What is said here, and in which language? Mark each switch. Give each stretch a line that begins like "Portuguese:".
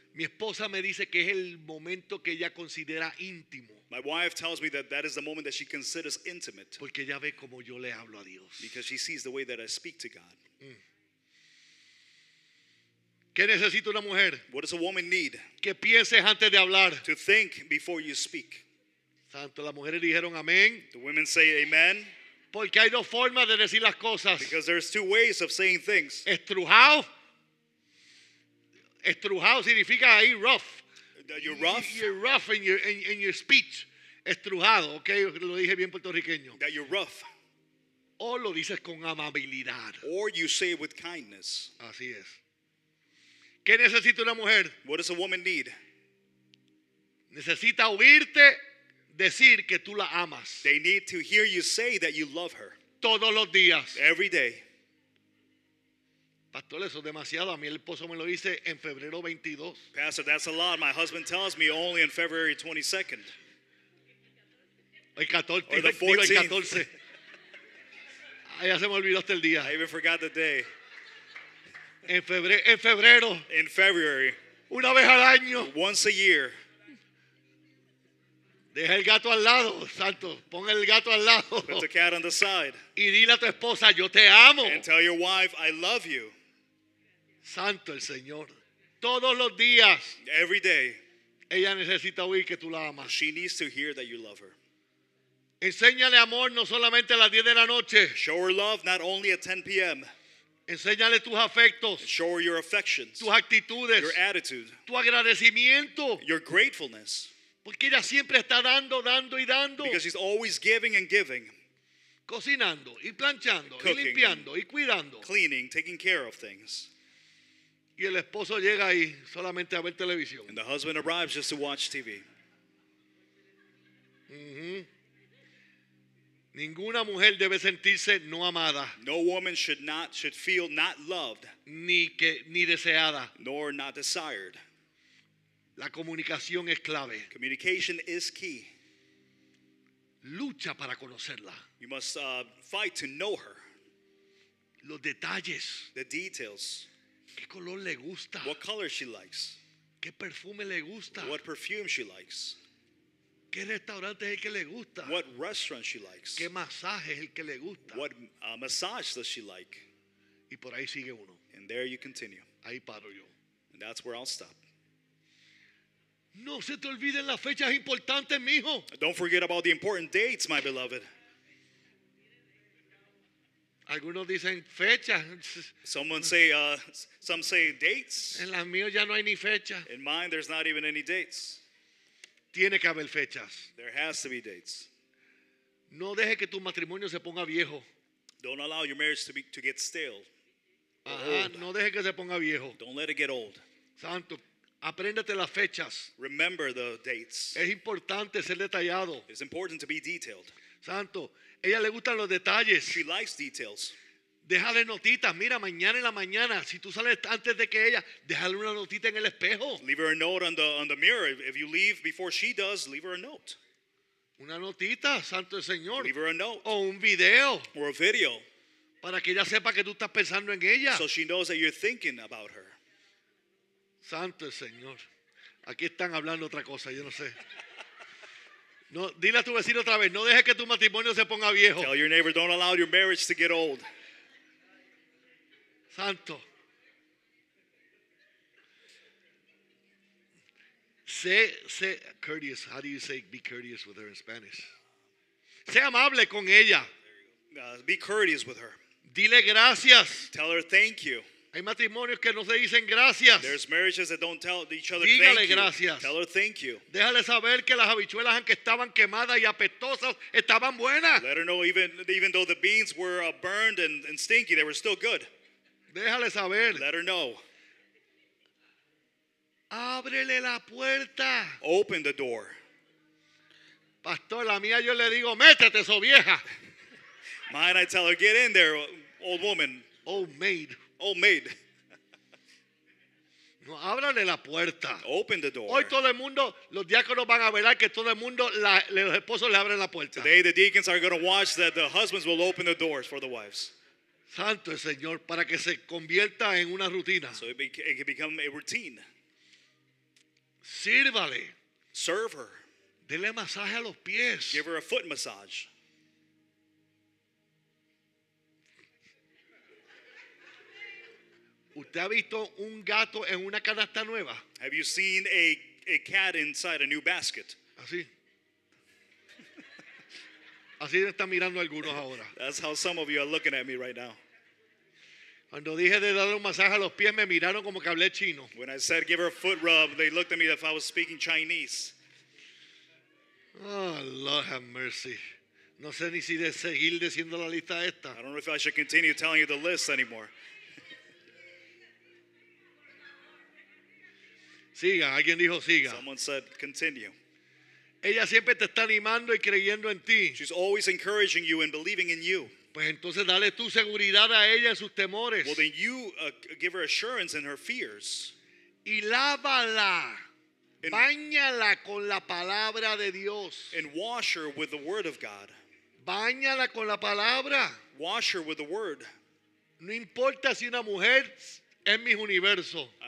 Spanish: Mi esposa me dice que es el momento que ella considera íntimo.
English: My wife tells me that is the moment that she considers intimate.
Spanish: Porque ella ve como yo le hablo a Dios.
English: Because she sees the way that I speak to God.
Spanish: ¿Qué necesita una mujer?
English: What does a woman need?
Spanish: Que pienses antes de hablar.
English: To think before you speak.
Spanish: Santo, las mujeres dijeron amén.
English: The women say amen.
Spanish: Porque hay dos formas de decir las cosas.
English: Because there's two ways of saying things.
Spanish: Estrujado. Estrujado significa ahí rough.
English: You're rough. You're rough in your speech.
Spanish: Estrujado, okay, lo dije bien puertorriqueño.
English: That you're rough.
Spanish: O lo dices con amabilidad.
English: Or you say it with kindness.
Spanish: Así es. ¿Qué necesita una mujer?
English: What does a woman need?
Spanish: Necesita oírte decir que tú la amas.
English: They need to hear you say that you love her.
Spanish: Todos los días.
English: Every day.
Spanish: Pastor, eso es demasiado. A mí el esposo me lo dice en febrero 22.
English: Pastor, that's a lot. My husband tells me only in February 22nd.
Spanish: El 14.
English: Or the 14th.
Spanish: El 14. Ya se me olvidó hasta el día.
English: I even forgot the day.
Spanish: En febrero.
English: In February.
Spanish: Una vez al año.
English: Once a year.
Spanish: Deja el gato al lado, santo. Pon el gato al lado.
English: Put the cat on the side.
Spanish: Y dile a tu esposa, yo te amo.
English: And tell your wife, I love you.
Spanish: Santo el Señor. Todos los días.
English: Every day.
Spanish: Ella necesita oír que tú la amas.
English: She needs to hear that you love her.
Spanish: Enséñale amor no solamente a las 10 de la noche.
English: Show her love not only at 10 p.m.
Spanish: Enséñale tus afectos.
English: Show her your affections.
Spanish: Tus actitudes.
English: Your attitude.
Spanish: Tu agradecimiento.
English: Your gratefulness.
Spanish: Porque ella siempre está dando.
English: Because she's always giving and giving.
Spanish: Cocinando y planchando. Cooking, y limpiando y cuidando.
English: Cleaning, taking care of things.
Spanish: Y el esposo llega ahí solamente a ver televisión.
English: And the husband arrives just to watch TV.
Spanish: Ninguna mujer debe sentirse no amada.
English: No woman should feel not loved.
Spanish: Ni deseada.
English: Nor not desired.
Spanish: La comunicación es clave.
English: Communication is key.
Spanish: Lucha para conocerla.
English: You must fight to know her.
Spanish: Los detalles.
English: The details.
Spanish: ¿Qué color le gusta?
English: What color she likes.
Spanish: ¿Qué perfume le gusta?
English: What perfume she likes.
Spanish: ¿Qué restaurante es el que le gusta?
English: What restaurant she likes.
Spanish: ¿Qué masaje es el que le gusta?
English: What massage does she like.
Spanish: Y por ahí sigue uno.
English: And there you continue.
Spanish: Ahí paro yo.
English: And that's where I'll stop.
Spanish: No se te olviden las fechas importantes, mijo.
English: Don't forget about the important dates, my beloved.
Spanish: Algunos dicen fechas.
English: Some say dates.
Spanish: En las mías ya no hay ni fecha.
English: In mine, there's not even any dates.
Spanish: Tiene que haber fechas.
English: There has to be dates.
Spanish: No deje que tu matrimonio se ponga viejo.
English: Don't allow your marriage to get stale.
Spanish: Ajá, no deje que se ponga viejo.
English: Don't let it get old.
Spanish: Santo, apréndate las fechas.
English: Remember the dates.
Spanish: Es importante ser detallado.
English: It's important to be detailed.
Spanish: Santo, ella le gustan los detalles.
English: She likes details.
Spanish: Déjale notitas. Mira, mañana en la mañana, si tú sales antes de que ella, déjale una notita en el espejo.
English: Leave her a note on the mirror. If you leave before she does, leave her a note.
Spanish: Una notita, santo el Señor.
English: Leave her a note.
Spanish: O un video.
English: Or a video.
Spanish: Para que ella sepa que tú estás pensando en ella.
English: So she knows that you're thinking about her.
Spanish: Santo el Señor. Aquí están hablando otra cosa, yo no sé. No, dile a tu vecino otra vez, no dejes que tu matrimonio se ponga viejo.
English: Tell your neighbor, don't allow your marriage to get old.
Spanish: Santo. Sé courteous.
English: How do you say be courteous with her in Spanish?
Spanish: Sé amable con ella.
English: Be courteous with her.
Spanish: Dile gracias.
English: Tell her thank you.
Spanish: Hay matrimonios que no se dicen gracias.
English: There's marriages that don't tell each other
Spanish: dígale
English: thank
Spanish: gracias.
English: You. Tell her thank you.
Spanish: Déjale saber que las habichuelas, aunque estaban quemadas y apestosas, estaban buenas.
English: Let her know even though the beans were burned and stinky, they were still good.
Spanish: Déjale saber.
English: Let her know.
Spanish: Ábrele la puerta.
English: Open the door.
Spanish: Pastor, la mía yo le digo, métete, so vieja.
English: Mine, I tell her, get in there, old woman. Old maid. Old maid.
Spanish: No, ábrale la puerta.
English: Open the door.
Spanish: Hoy todo el mundo, los diáconos van a velar que todo el mundo, los esposos le abren la puerta.
English: Today the deacons are going to watch that the husbands will open the doors for the wives.
Spanish: Santo es Señor, para que se convierta en una rutina.
English: So it can become a routine.
Spanish: Sírvale.
English: Serve her.
Spanish: Dele masaje a los pies.
English: Give her a foot massage.
Spanish: ¿Usted ha visto un gato en una canasta nueva?
English: Have you seen a cat inside a new basket?
Spanish: Así. Así están mirando algunos ahora.
English: That's how some of you are looking at me right now.
Spanish: Cuando dije de darle un masaje a los pies, me miraron como que hablé chino.
English: When I said give her a foot rub, they looked at me if I was speaking Chinese. Oh, Lord have mercy.
Spanish: No sé ni si de seguir diciendo la lista esta.
English: I don't know if I should continue telling you the list anymore.
Spanish: Siga, alguien dijo siga.
English: Someone said continue.
Spanish: Ella siempre te está animando y creyendo en ti.
English: She's always encouraging you and believing in you.
Spanish: Pues entonces dale tu seguridad a ella en sus temores.
English: Well, then you give her assurance in her fears.
Spanish: Y lávala. Báñala con la palabra de Dios.
English: And wash her with the word of God.
Spanish: Báñala con la palabra.
English: Wash her with the word.
Spanish: No importa si una mujer es Miss Universo.